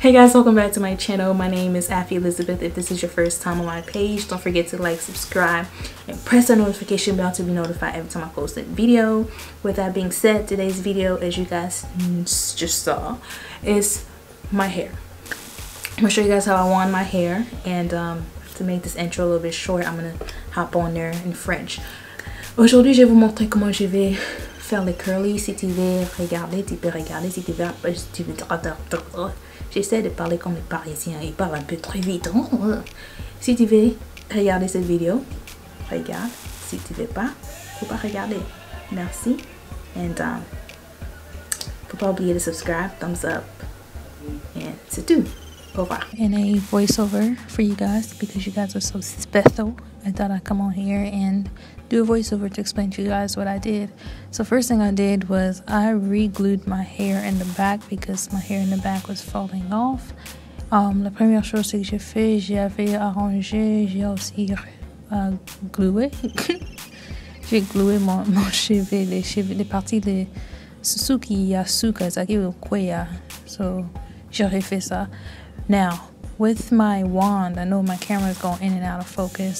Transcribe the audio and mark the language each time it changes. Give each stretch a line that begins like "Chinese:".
English: Hey guys, welcome back to my channel. My name is Affie Elizabeth. If this is your first time on my page, don't forget to like, subscribe, and press that notification bell to be notified every time I post a video. With that being said, today's video, as you guys just saw, is my hair. I'm gonna show you guys how I wand my hair, and to make this intro a little bit short, I'm gonna hop on there in French.
French: Aujourd'hui, je vais vous montrer comment je vais faire les curly. Si tu veux regarder, tu peux regarder. Si tu veux, tu veux. J'essaie de parler comme les Parisiens. Ils parlent un peu trop vite. Si tu veux regarder cette vidéo, regarde. Si tu veux pas, faut pas regarder. Merci. And faut pas oublier de
English: subscribe, thumbs up, and
French: c'est tout.
English: And a voiceover for you guys, because you guys are so special. I thought I'd come on here and do a voiceover to explain to you guys what I did. So first thing I did was I re-glued my hair in the back because my hair in the back was falling off.
French: La première chose que j'ai fait, j'avais arrangé, j'ai aussi glué. J'ai glué mon cheveu, les parties de sous qui y a sous,
English: cause I give a
French: quoi. So j'aurais fait ça.
English: Now, with my wand, I know my camera's going in and out of focus.